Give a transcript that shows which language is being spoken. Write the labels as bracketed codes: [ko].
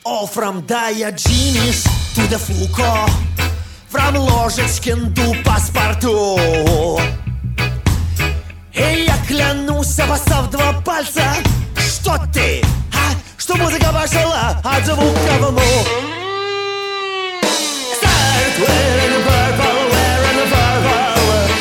[en] From Diogenes to the Foucault, from Ложечкин to Passepartout. [ru] И я клянусь, обоссав два пальца, что ты, а? Что музыка пошла от звука в ну. [en] Start wearing purple, wearing purple.